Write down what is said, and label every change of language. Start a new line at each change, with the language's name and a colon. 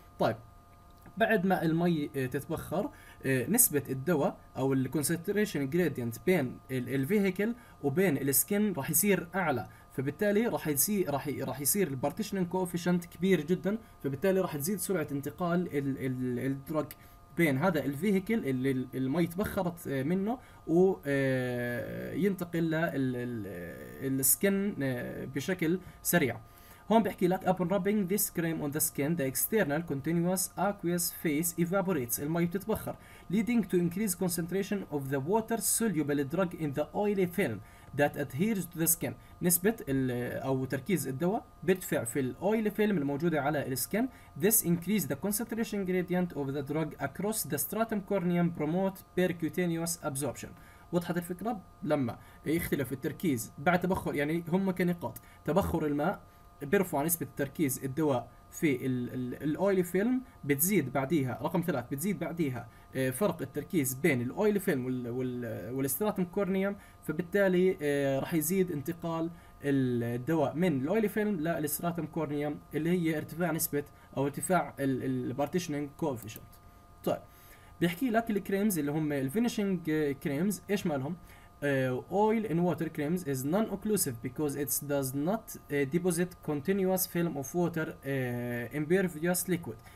Arabic: طيب بعد ما المي تتبخر نسبة الدواء أو الكونسنتريشن جريدينت بين الفيهيكل وبين السكن راح يصير أعلى، فبالتالي راح يصير البارتيشنين كوفيشنت كبير جدا، فبالتالي راح تزيد سرعه انتقال الدرج بين هذا الفيهيكل اللي المي تبخرت منه وينتقل للسكن بشكل سريع. هون بحكي لك
English: upon rubbing this cream on the skin the external continuous aqueous phase evaporates،
Arabic: المي بتتبخر،
English: leading to increased concentration of the water soluble drug in the oily film that adheres to the skin.
Arabic: نسبة أو تركيز الدواء بيرتفع في الأويل فيلم الموجودة على السكن.
English: This increase the concentration gradient of the drug across the stratum corneum promote percutaneous absorption.
Arabic: وضحت الفكرة؟ لما يختلف التركيز بعد تبخر، يعني هم كنقاط تبخر الماء بيرفع نسبة تركيز الدواء في الأويل فيلم، بتزيد بعديها رقم ثلاث، بتزيد بعديها فرق التركيز بين الأويل فيلم والستراتم كورنيوم، فبالتالي راح يزيد انتقال الدواء من الأويل فيلم للستراتم كورنيوم اللي هي ارتفاع نسبة أو ارتفاع البارتيشنينج كوفيشنت. طيب بيحكي لك الكريمز اللي هم الفينيشنج كريمز ايش مالهم؟
English: oil and water creams is non-occlusive because it does not deposit continuous film of water impervious liquid.